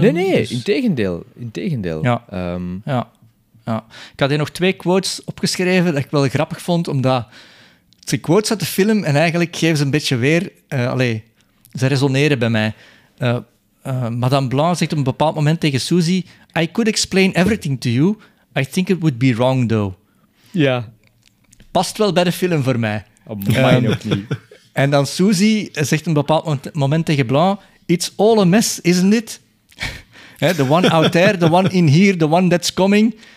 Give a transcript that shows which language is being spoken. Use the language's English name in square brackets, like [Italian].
[Dutch] Nee, dus... integendeel. Ja. Ik had hier nog twee quotes opgeschreven dat ik wel grappig vond, omdat het zijn quotes uit de film en eigenlijk geven ze een beetje weer... ze resoneren bij mij... Madame Blanc zegt op een bepaald moment tegen Susie... [English] I could explain everything to you. I think it would be wrong, though. [Dutch] Ja. Past wel bij de film voor mij. Op mijn ook niet. En dan Susie zegt op een bepaald moment tegen Blanc... [English] It's all a mess, isn't it? The one out there, the one in here, the one that's coming.